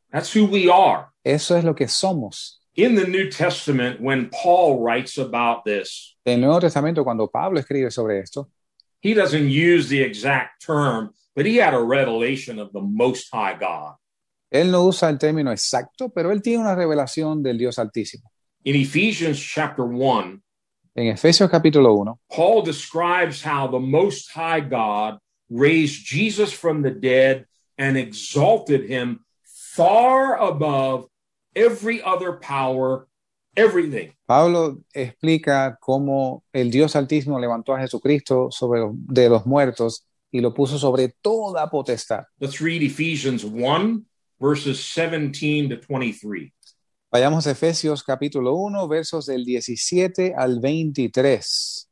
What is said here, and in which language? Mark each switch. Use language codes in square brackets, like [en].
[en] That's who we are. [es] Eso es lo que somos. [en] In the New Testament, when Paul writes about this, [es] en el Nuevo Testamento, cuando Pablo escribe sobre esto, [en] he doesn't use the exact term, but he had a revelation of the Most High God. [es] Él no usa el término exacto, pero él tiene una revelación del Dios Altísimo. [en] In Ephesians chapter 1, [es] en Efesios capítulo 1, [en] Paul describes how the Most High God raised Jesus from the dead and exalted him far above every other power, everything. [es] Pablo explica cómo el Dios Altísimo levantó a Jesucristo de los muertos y lo puso sobre toda potestad. [en] Let's read Ephesians 1. Verses 17 to 23. [es] Vayamos a Efesios capítulo 1, versos del 17 al 23.